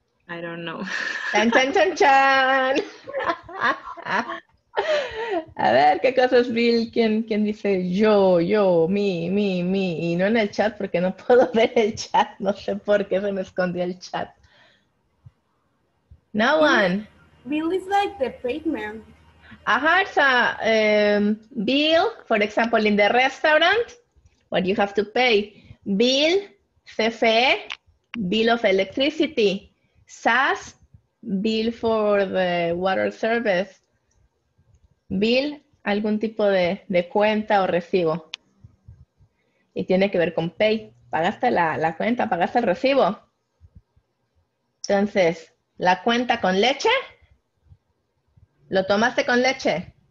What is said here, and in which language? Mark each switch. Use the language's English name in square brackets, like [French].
[English] I don't know. Chan, chan, chan, chan. [Spanish] A ver, ¿qué cosa es Bill? ¿Quién dice yo, mí? Y no en el chat porque no puedo ver el chat. No sé por qué se me escondió el chat. [English] No one. Bill is like the paid man. Ajá, so, Bill, for example, in the restaurant, what you have to pay? Bill, CFE, bill of electricity. SAS, bill for the water service. [Spanish] Bill, algún tipo de cuenta o recibo. Y tiene que ver con pay. Pagaste la cuenta, pagaste el recibo. Entonces, ¿la cuenta con leche? ¿Lo tomaste con leche?